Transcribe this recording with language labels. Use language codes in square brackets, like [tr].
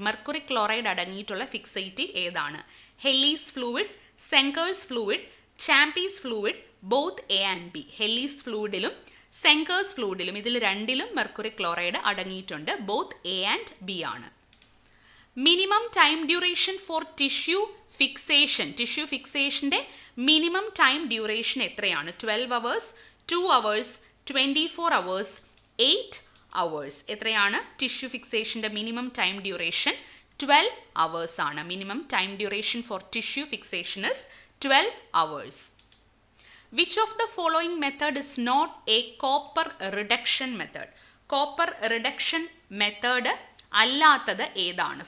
[ml] Mercuric chloride അടങ്ങിയിട്ടുള്ള fixative ഏതാണ്? ഹെല്ലീസ് fluid, സെങ്കേഴ്സ് fluid, ചാമ്പീസ് fluid, [en] Both A and B. [ml] ഹെല്ലീസ് ഫ്ലൂവിഡിലും സെങ്കേഴ്സ് ഫ്ലൂവിഡിലും, ഇതിൽ രണ്ടിലും മെർക്കുറിക് ക്ലോറൈഡ് അടങ്ങിയിട്ടുണ്ട്. ബോത്ത് എ ആൻഡ് ബി ആണ്. [en] Minimum time duration for tissue fixation? [ml] Tissue ഫിക്സേഷൻ്റെ minimum time duration എത്രയാണ്? [en] 12 hours, 2 hours, 24 hours, 8 hours. [ml] എത്രയാണ് tissue ഫിക്സേഷൻ്റെ minimum time duration? 12 hours ആണ്. [en] Minimum time duration for tissue fixation is 12 hours. Which of the following method is not a copper reduction method? [ml] Copper reduction method അല്ലാത്തത് ഏതാണ്?